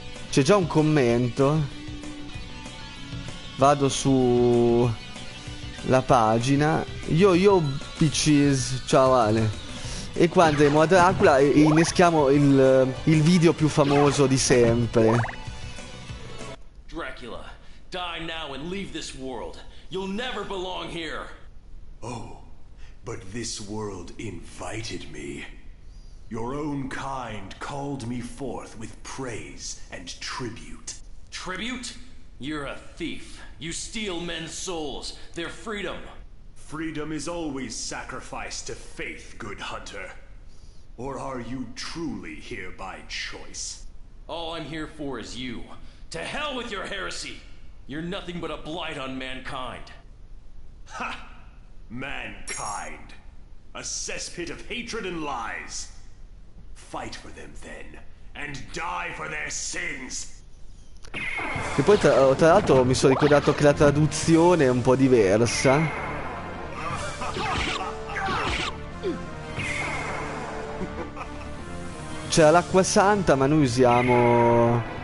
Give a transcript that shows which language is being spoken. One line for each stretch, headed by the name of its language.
Italian: C'è già un commento. Vado su la pagina.
English: Yo, bitches. Ciao Ale.
Italian: E qua andremo a Dracula e inneschiamo il video più famoso di sempre.
English: Dracula, die now and leave this world. You'll never belong here. Oh. But this world invited me. Your own kind called me forth with praise and tribute. Tribute? You're a thief. You steal men's souls, their freedom. Freedom is always sacrificed to faith, good hunter. Or are you truly here by choice? All I'm here for is you. To hell with your heresy! You're nothing but a blight on mankind. Ha! Mankind, a cesspit of hatred and lies. Fight for them then, and die for their sins.
Italian: E poi tra l'altro mi sono ricordato che la traduzione è un po' diversa. C'era l'acqua santa, ma noi usiamo...